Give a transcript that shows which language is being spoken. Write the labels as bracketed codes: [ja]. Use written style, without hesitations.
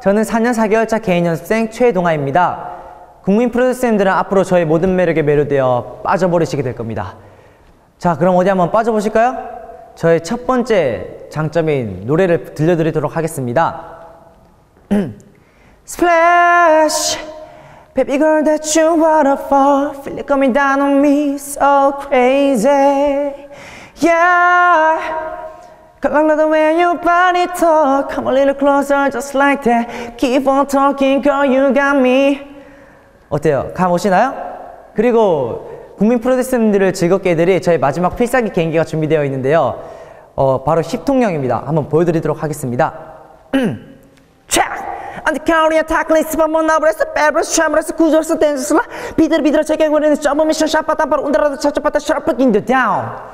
[ko] 저는 4년 4개월차 개인 연습생 최동아입니다. 국민 프로듀서님들은 앞으로 저의 모든 매력에 매료되어 빠져버리시게 될 겁니다. 자, 그럼 어디 한번 빠져보실까요? 저의 첫 번째 장점인 노래를 들려드리도록 하겠습니다. [en] Splash, baby girl, that you waterfall, feel it coming down on me, so crazy, yeah. Color the way your body talk, come a little closer, just like that. Keep on talking, girl, you got me. [ko] 어때요? 감 오시나요? 그리고 국민 프로듀서님들을 즐겁게 해드릴 저의 마지막 필살기 개인기가 준비되어 있는데요. 바로 10통령입니다. 한번 보여드리도록 하겠습니다. 안디카우리아 타클리스 밤은 나브레스 베브레스 샤브레스 구조에서 댄스라 비들 비들어 재개구리는 점프미션 샤바다 바로 운다라도 차차바다 샤프킹 더 다운.